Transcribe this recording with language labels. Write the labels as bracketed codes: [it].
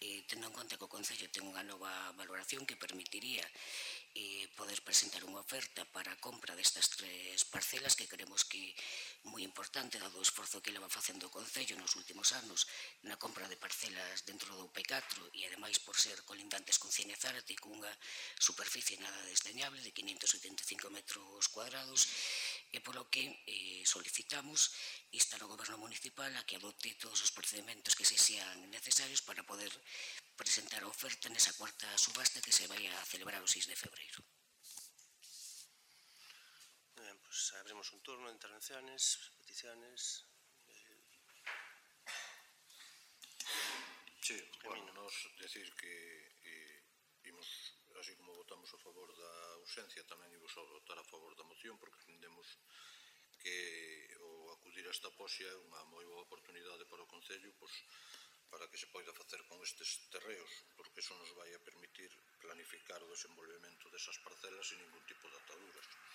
[gl] Tendo en conta que o Concello ten unha nova valoración que permitiría poder presentar unha oferta para a compra destas tres parcelas, que creemos que é moi importante, dado o esforzo que leva facendo o Concello nos últimos anos na compra de parcelas dentro do P4 e, ademais, por ser colindantes con Cinezárate e cunha superficie nada desdeñable de 585 metros cuadrados, e polo que solicitamos instar ao Goberno Municipal a que adopte todos os procedimentos que se sean necesarios para poder presentar a oferta nesa cuarta subasta que se vai a celebrar o 6 de febreiro. [es] Bien, pues abrimos un turno de intervenciones, peticiones. [gl] Sí, bueno, nos decir que imos, así como votamos a favor da ausencia, tamén imos a votar a favor da moción, porque entendemos que o acudir a esta posia é unha moi boa oportunidade para o Concello, pois, para que se poida facer con estes terreos, porque eso nos vai a permitir planificar o desenvolvemento desas parcelas sin ningún tipo de ataduras.